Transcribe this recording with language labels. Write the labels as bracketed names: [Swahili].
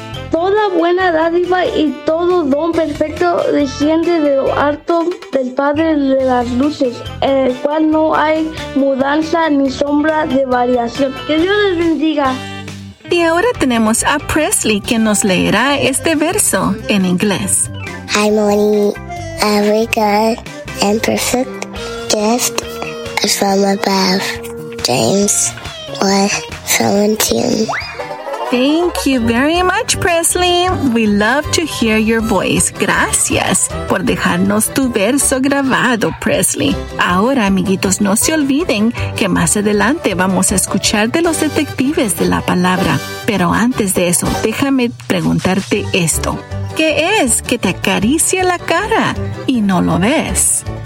[Spanish] Toda buena dádiva y todo don perfecto desciende de lo alto del Padre de las luces, en el cual no hay mudanza ni sombra de variación. ¡Que Dios les bendiga! Y ahora tenemos a Presley, que nos leerá este verso en inglés. [English] Hi, Moni. Every good and perfect gift is from above. James 1:17. Thank you very much, Presley. We love to hear your voice. [Spanish] Gracias por dejarnos tu verso grabado, Presley. Ahora, amiguitos, no se olviden que más adelante vamos a escuchar de los detectives de la palabra. Pero antes de eso, déjame preguntarte esto. ¿Qué es que te acaricia la cara y no lo ves?